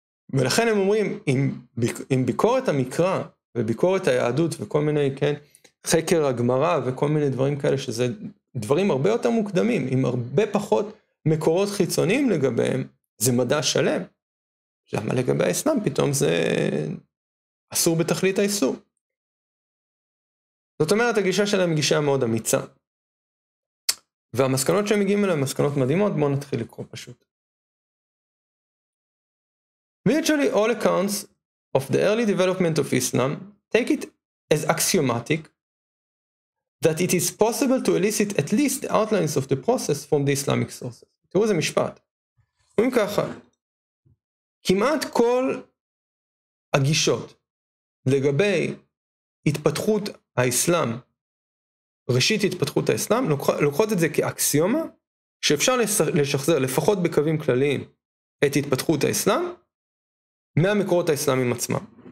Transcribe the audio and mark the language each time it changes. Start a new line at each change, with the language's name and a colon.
Hebrew: ולכן הם אומרים, אם ביקורת המקרא וביקורת היהדות וכל מיני, כן, חקר הגמרא וכל מיני דברים כאלה, שזה דברים הרבה יותר מוקדמים, עם הרבה פחות מקורות חיצוניים לגביהם, זה מדע שלם. למה לגבי האסלאם? פתאום זה אסור בתכלית האיסור. זאת אומרת, הגישה שלהם גישה מאוד אמיצה. והמסקנות שהם מגיעים אליהם, מסקנות מדהימות, בואו נתחיל לקרוא פשוט.
English: Virtually all accounts of the early development of Islam take it as axiomatic that it is possible to elicit at least the outlines of the process from the Islamic sources.
Hebrew: תראו איזה משפט. אם ככה, כמעט כל הגישות לגבי התפתחות האסלאם, ראשית התפתחות האסלאם, לוקחות את זה כאקסיומה, שאפשר לשחזר לפחות בקווים כלליים את התפתחות האסלאם, מהמקורות האסלאמיים עצמם.